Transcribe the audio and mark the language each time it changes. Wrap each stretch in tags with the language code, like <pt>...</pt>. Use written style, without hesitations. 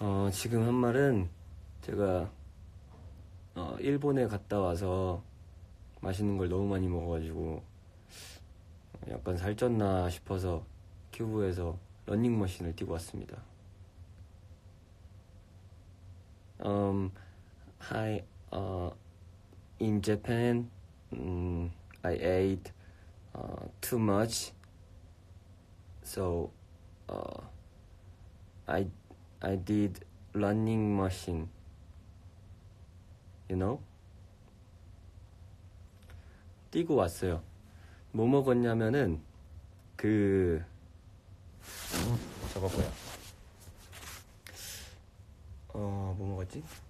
<ko>지금 한 말은 제가 일본에 갔다 와서 맛있는 걸 너무 많이 먹어가지고 약간 살쪘나 싶어서 큐브에서 러닝머신을 띄고 왔습니다.</ko> <en>Hi, in Japan, I ate too much, so I did running machine, you know?</en> <ko>뛰고 왔어요. 뭐 먹었냐면은 그 저거 뭐야? 뭐 먹었지?</ko>